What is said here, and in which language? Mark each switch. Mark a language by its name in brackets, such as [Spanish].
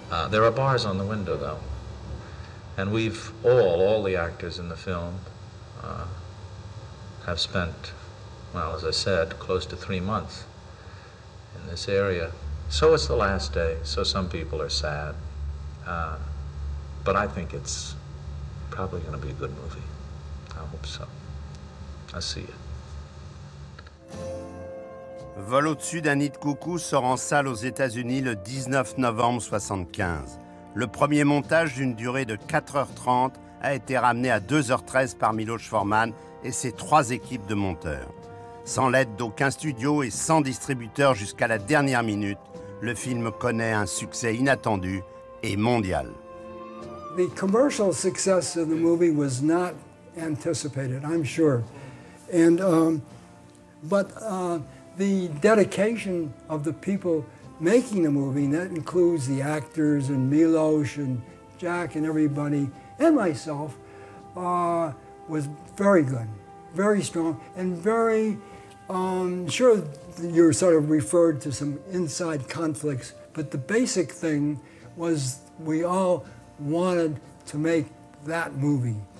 [English] There are bars on the window, though. And we've all the actors in the film, have spent, well, as I said, close to 3 months in this area. So it's the last day, so some people are sad. But I think it's probably going to be a good movie. I hope so. I see you. [French] Vol au-dessus d'un nid de coucou sort en salle aux États-Unis le 19 novembre 75. Le premier montage d'une durée de 4h30 a été ramené à 2h13 par Miloš Forman et ses trois équipes de monteurs. Sans l'aide d'aucun studio et sans distributeur jusqu'à la dernière minute, le film connaît un succès inattendu et mondial. [English] The commercial success of the movie was not anticipated, I'm sure. And the dedication of the people making the movie, and that includes the actors and Milos and Jack and everybody and myself, was very good, very strong, and very sure you're sort of referred to some inside conflicts, but the basic thing was we all wanted to make that movie.